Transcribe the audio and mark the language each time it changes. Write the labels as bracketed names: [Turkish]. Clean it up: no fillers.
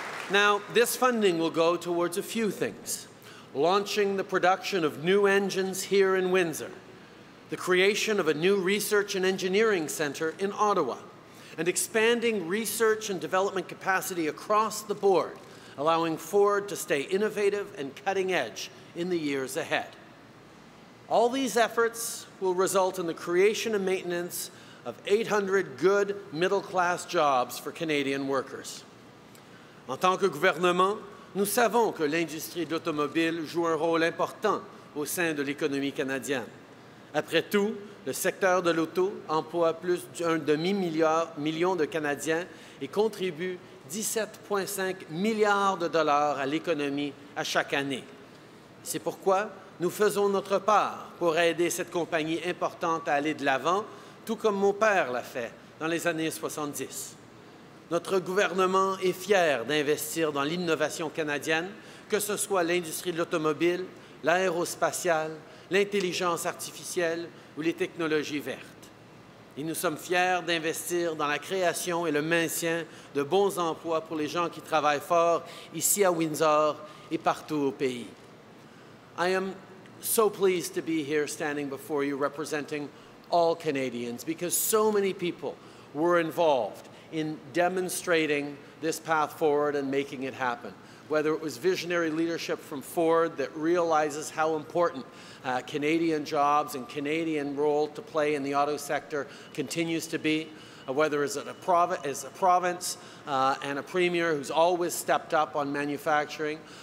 [English] Now, this funding will go towards a few things: launching the production of new engines here in Windsor, the creation of a new research and engineering centre in Ottawa, and expanding research and development capacity across the board, allowing Ford to stay innovative and cutting edge in the years ahead. All these efforts will result in the creation and maintenance of 800 good middle-class jobs for Canadian workers. [French] En tant que gouvernement, nous savons que l'industrie d'automobile joue un rôle important au sein de l'économie canadienne. Après tout, le secteur de l'auto emploie plus d'un demi-million de Canadiens et contribue 17,5 milliards de dollars à l'économie à chaque année. C'est pourquoi nous faisons notre part pour aider cette compagnie importante à aller de l'avant, tout comme mon père l'a fait dans les années 70. Notre gouvernement est fier d'investir dans l'innovation canadienne, que ce soit l'industrie de l'automobile, l'aérospatiale, l'intelligence artificielle ou les technologies vertes. Et nous sommes fiers d'investir dans la création et le maintien de bons emplois pour les gens qui travaillent fort ici à Windsor et partout au pays. [English] I am so pleased to be here standing before you representing all Canadians because so many people were involved in demonstrating this path forward and making it happen, whether it was visionary leadership from Ford that realizes how important Canadian jobs and Canadian role to play in the auto sector continues to be, whether it's a province and a premier who's always stepped up on manufacturing,